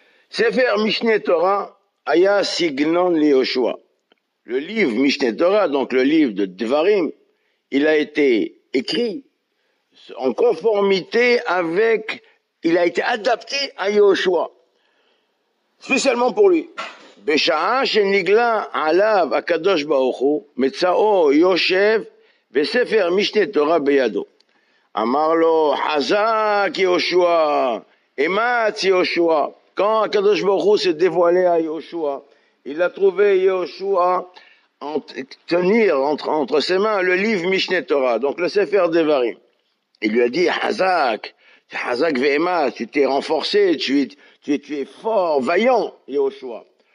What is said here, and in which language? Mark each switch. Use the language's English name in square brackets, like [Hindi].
[Hebrew] Sefer Mishneh Torah, Aya Signon li Yoshua. [French] Le livre Mishneh Torah, donc le livre de Devarim, il a été écrit en conformité avec, il a été adapté à Yoshua. Spécialement pour lui. [Hebrew] בשעה שנגלה עליו הקדוש ברוך הוא, מצאו יושב בספר משנה תורה בידו. אמר לו, חזק יהושע, אמץ יהושע. [French] Quand הקדוש ברוך הוא s'est dévoilé à Yoshua, il a trouvé Yoshua en tenir entre ses mains le livre משנה תורה, donc le ספר דברים. Il lui a dit, [Hebrew] חזק ואמץ, [French] tu t'es renforcé, tu es fort, vaillant Yoshua.